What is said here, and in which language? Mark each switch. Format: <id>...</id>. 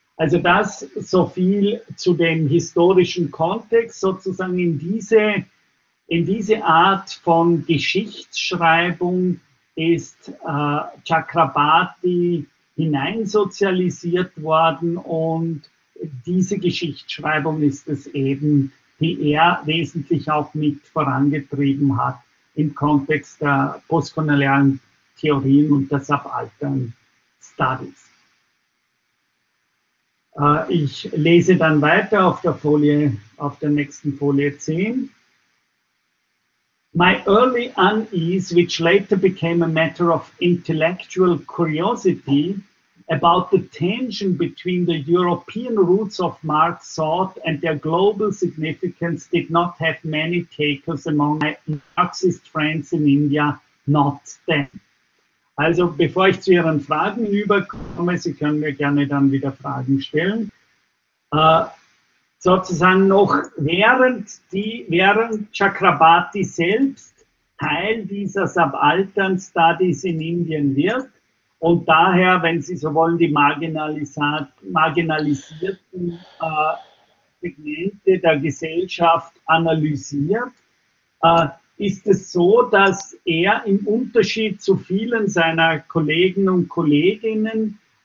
<de>Also das so viel zu dem historischen Kontext, sozusagen in diese Art von Geschichtsschreibung ist Chakrabarti hineinsozialisiert worden, und diese Geschichtsschreibung ist es eben, die er wesentlich auch mit vorangetrieben hat im Kontext der postkolonialen Theorien und der Subaltern Studies. Ich lese dann weiter auf der nächsten Folie 10.</de> <en>My early unease, which later became a matter of intellectual curiosity about the tension between the European roots of Marx thought and their global significance, did not have many takers among my Marxist friends in India, not then.</en> <de>Also bevor ich zu Ihren Fragen überkomme, Sie können mir gerne dann wieder Fragen stellen. Sozusagen noch während Chakrabarti selbst Teil dieser Subaltern-Studies in Indien wird und daher, wenn Sie so wollen, die marginalisierten Segmente der Gesellschaft analysiert, ist es so, dass er im Unterschied zu vielen seiner Kollegen und Kolleginnen</de>